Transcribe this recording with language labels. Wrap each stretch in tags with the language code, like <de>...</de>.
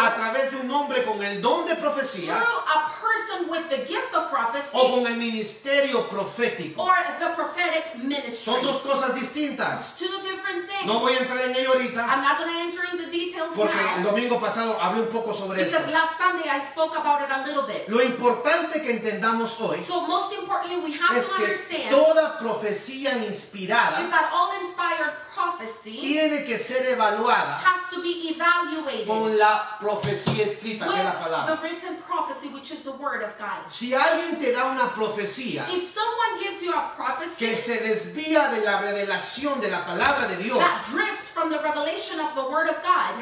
<es>a través de un hombre con el don de profecía,</es> <en>through a person with the gift of prophecy,</en> <es>o con el ministerio profético,</es> <en>or the prophetic ministry.</en> <es>Son dos cosas distintas.</es> <en>It's two different things.</en> <es>No voy a entrar en ello ahorita,</es> <en>I'm not going to enter into details</en> <es>porque el domingo pasado hablé un poco sobre esto.</es> <en>Because last Sunday I spoke about it a little bit.</en> <es>Lo importante que entendamos hoy,</es> <en>so most importantly we have</en> <es>es</es> <en>to understand,</en> <es>toda profecía inspirada</es> <en>is that all inspired prophecy</en> <es>tiene que ser evaluada,</es> <en>has to be evaluated,</en> <es>con la profecía escrita, que es la palabra,</es> <en>the written prophecy, which is the word of God.</en> <es>Si alguien te da una profecía,</es> <en>if someone gives you a prophecy,</en> <es>que se desvía de la revelación de la palabra de Dios,</es> <en>that drifts from the revelation of the word of God,</en>